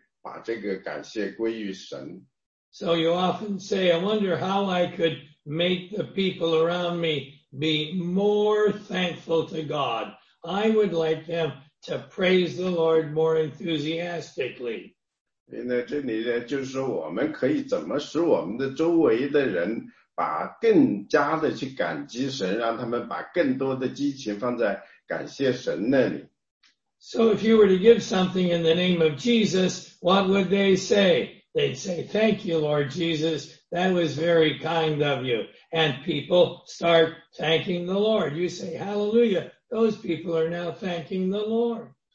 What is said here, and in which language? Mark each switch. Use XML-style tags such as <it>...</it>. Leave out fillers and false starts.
<zh>所以呢，一个赐福来的呢，就是说，当你把那个钱在使用在神里面，你施舍给别人的时候，别人会把这个感谢归于神。</zh> <en>So you often say, I wonder how I could make the people around me be more thankful to God. I would like them to praise the Lord more enthusiastically.</en> <zh>所以呢，这里呢，就是说，我们可以怎么使我们的周围的人 把更加的去感激神，让他们把更多的激情放在感谢神那里。</zh> <en>So if you were to give something in the name of Jesus, what would they say? They'd say, thank you, Lord Jesus. That was very kind of you. And people start thanking the Lord. You say, hallelujah. Those people are now thanking the Lord.</en>